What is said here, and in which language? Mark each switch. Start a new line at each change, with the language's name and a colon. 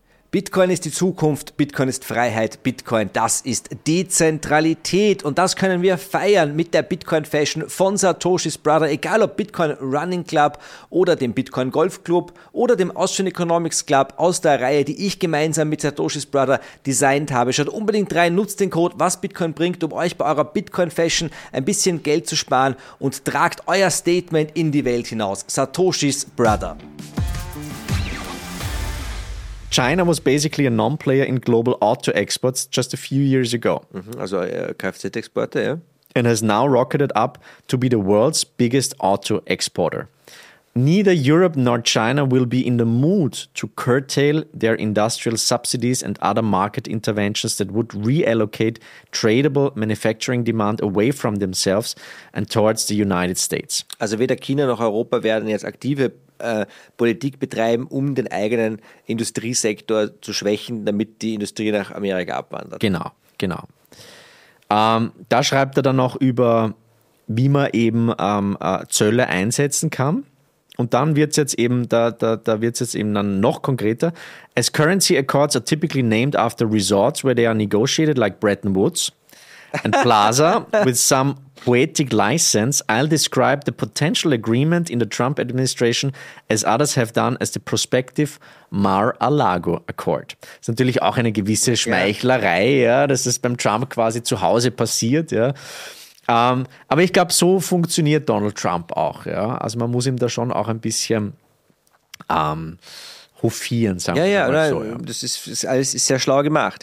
German: Bitcoin ist die Zukunft, Bitcoin ist Freiheit, Bitcoin, das ist Dezentralität und das können wir feiern mit der Bitcoin Fashion von Satoshis Brother, egal ob Bitcoin Running Club oder dem Bitcoin Golf Club oder dem Austrian Economics Club aus der Reihe, die ich gemeinsam mit Satoshis Brother designt habe. Schaut unbedingt rein, nutzt den Code, was Bitcoin bringt, um euch bei eurer Bitcoin Fashion ein bisschen Geld zu sparen und tragt euer Statement in die Welt hinaus. Satoshis Brother.
English: China was basically a non-player in global auto exports just a few years ago.
German: Also Kfz-Exporte, ja.
English: And has now rocketed up to be the world's biggest auto exporter. Neither Europe nor China will be in the mood to curtail their industrial subsidies and other market interventions that would reallocate tradable manufacturing demand away from themselves and towards the United States.
German: Also weder China noch Europa werden jetzt aktive Politik betreiben, um den eigenen Industriesektor zu schwächen, damit die Industrie nach Amerika abwandert. Genau, genau. Da schreibt er dann noch über, wie man eben Zölle einsetzen kann. Und dann wird es jetzt eben, da wird es jetzt eben dann noch konkreter. As currency accords are typically named after resorts where they are negotiated, like Bretton Woods and Plaza, with some poetic license, I'll describe the potential agreement in the Trump administration, as others have done, as the prospective Mar-a-Lago Accord. Das ist natürlich auch eine gewisse Schmeichlerei, ja, dass es beim Trump quasi zu Hause passiert, ja. Aber ich glaube, so funktioniert Donald Trump auch. Ja? Also man muss ihm da schon auch ein bisschen hofieren, sagen ja, wir ja, mal nein, so. Ja, ja, das ist alles ist sehr schlau gemacht.